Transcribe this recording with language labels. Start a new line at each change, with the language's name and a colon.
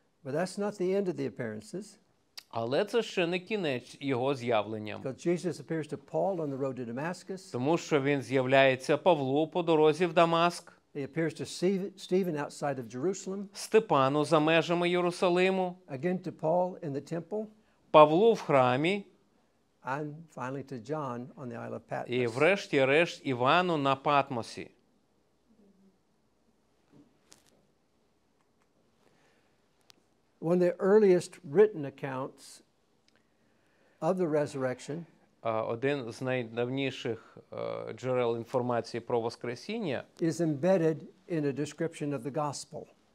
English: But that's not the end of the appearances.
Ukrainian: Але це ще не кінець його з'явленням.
English: Because Jesus appears to Paul on the road to Damascus.
Ukrainian: Тому що він з'являється Павлу по дорозі в Дамаск.
English: He appears to Stephen outside of Jerusalem.
Ukrainian: Степану за межами Єрусалиму.
English: Again to Paul in the temple.
Ukrainian: Павлу в храмі.
English: And finally to John on the Isle of Patmos.
Ukrainian: І врешті-решт Івану на Патмосі.
English: One of the earliest written accounts of the resurrection.
Ukrainian: Один з найдавніших джерел інформації про Воскресіння
English: is embedded in a description of the gospel.